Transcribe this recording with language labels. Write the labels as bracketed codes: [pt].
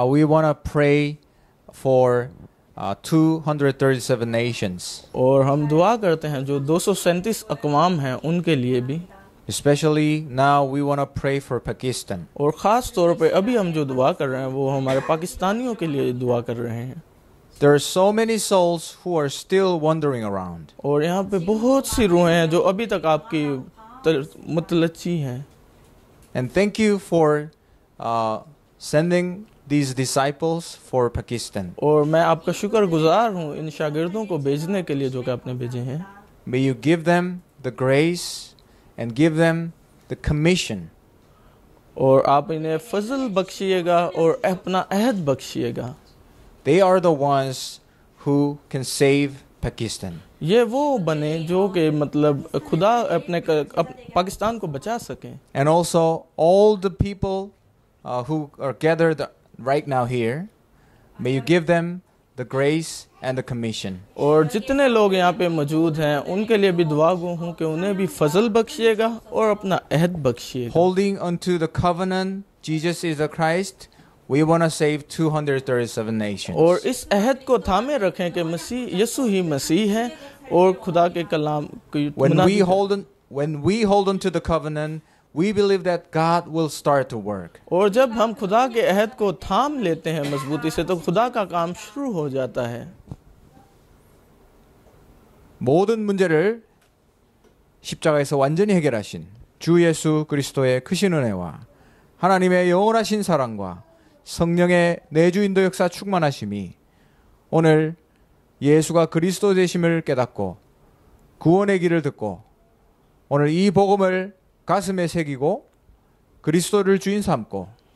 [en] We want to pray for 237 nations. [ur] اور ہم دعا کرتے ہیں جو 237 اقوام ہیں ان کے لیے بھی. [en] Especially now we want to pray for Pakistan. [ur] اور خاص طور پہ ابھی ہم جو دعا کر رہے ہیں وہ ہمارے پاکستانیوں کے لیے دعا کر رہے ہیں. [en] There are so many souls who are still wandering around. [ur] اور یہاں پہ بہت سی روحیں ہیں جو ابھی تک آپ کی متلچی ہیں. [en] And thank you for sending these disciples for Pakistan. [ur] اور میں آپ کا شکر گزار ہوں ان شاگردوں کو بھیجنے کے لیے جو کہ آپ نے بھیجے ہیں. [en] May you give them the grace and give them the commission. [ur] اور آپ انہیں فضل بخشیے گا اور اپنا عہد بخشیے گا. [en] They are the ones who can save Pakistan. [ur] یہ وہ بنے جو کہ مطلب خدا اپنے پاکستان کو بچا سکیں. [en] And also all the people who are gathered right now here, may you give them the grace and the commission. [ur] اور جتنے لوگ یہاں پہ موجود ہیں ان کے لیے بھی دعا گو ہوں کہ انہیں بھی فضل بخشیے گا اور اپنا عہد بخشیے گا. [en] Holding onto the covenant, Jesus is the Christ. We want to save 237 nations. [ur] اور اس عہد کو تھامے رکھیں کہ مسیح یسوع ہی مسیح ہے اور خدا کے کلام کی [en] when we hold on to the covenant, we believe that God will start to work. [ur] اور جب ہم خدا کے عہد کو تھام لیتے ہیں مضبوطی سے تو خدا کا کام شروع ہو جاتا ہے. [ko] 모든 문제를 십자가에서 완전히 해결하신 주 예수 그리스도의 크신 은혜와 하나님의 영원하신 사랑과 성령의 내주 인도 역사 충만하심이 오늘 예수가 그리스도 되심을 깨닫고 구원의 길을 듣고 오늘 이 복음을 가슴에 새기고 그리스도를 주인 삼고